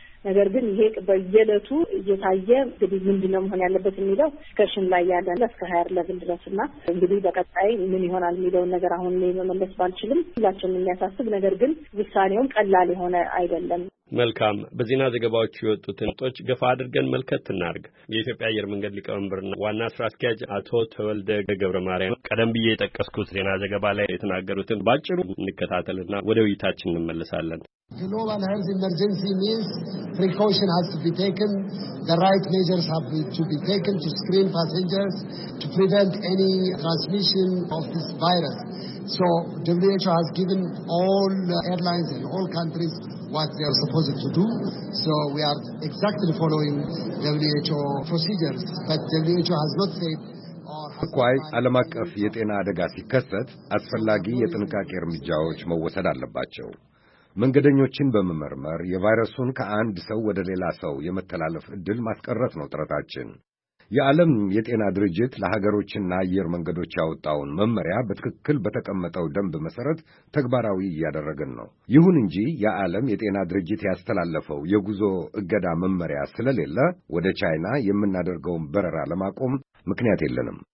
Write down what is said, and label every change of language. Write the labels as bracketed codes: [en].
[am] ነገር ግን ይሄ በየዕለቱ እየታየ እንግዲህ ምንድን ነው መሆን ያለበት የሚለው ከሽን ላይ ያለ እስከ 20 ሌቭል ድረስ እና እንግዲህ በቀጣይ ምን ይሆናል የሚለውን ነገር አሁን መመለስ ባልችልም ሁላችንም የሚያሳስብ ነገር ግን ውሳኔውም ቀላል የሆነ አይደለም። መልካም፣ በዜና ዘገባዎቹ የወጡትን ጦች ገፋ አድርገን መልከት እናድርግ። የኢትዮጵያ አየር መንገድ ሊቀመንበርና ዋና ስራ አስኪያጅ አቶ ተወልደ ገብረ ማርያም ቀደም ብዬ የጠቀስኩት ዜና ዘገባ ላይ የተናገሩትን ባጭሩ እንከታተልና ወደ ውይይታችን እንመለሳለን። [en] Global health emergency means precaution has to be taken. The right measures have to be taken to screen passengers to prevent any transmission of this virus. So WHO has given all airlines in all countries what they are supposed to do. So we are exactly following WHO procedures. But WHO has not said... [am] ተቋይ ዓለም አቀፍ የጤና አደጋ ሲከሰት አስፈላጊ የጥንቃቄ እርምጃዎች መወሰድ አለባቸው። መንገደኞችን በመመርመር የቫይረሱን ከአንድ ሰው ወደ ሌላ ሰው የመተላለፍ ዕድል ማስቀረት ነው ጥረታችን። የዓለም የጤና ድርጅት ለሀገሮችና አየር መንገዶች ያወጣውን መመሪያ በትክክል በተቀመጠው ደንብ መሠረት ተግባራዊ እያደረግን ነው። ይሁን እንጂ የዓለም የጤና ድርጅት ያስተላለፈው የጉዞ እገዳ መመሪያ ስለሌለ ወደ ቻይና የምናደርገውን በረራ ለማቆም ምክንያት የለንም።